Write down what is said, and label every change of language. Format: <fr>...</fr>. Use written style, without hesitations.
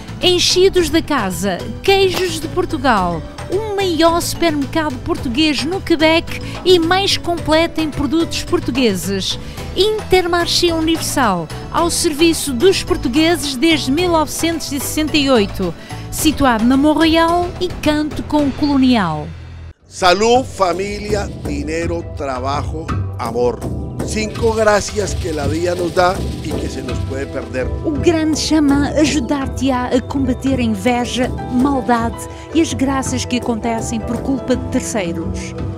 <pt>Enchidos da casa, queijos de Portugal, o maior supermercado português no Quebec e mais completo em produtos portugueses. Intermarché Universal, ao serviço dos portugueses desde 1968. Situado na Montreal e canto com o Colonial.</pt> <es>Salud, familia, dinero, trabajo, amor. 5 gracias que la vida nos da y que se nos puede perder.</es> <pt>O grande xamã ajudar-te-á a combater a inveja, maldade e as graças que acontecem por culpa de terceiros.</pt>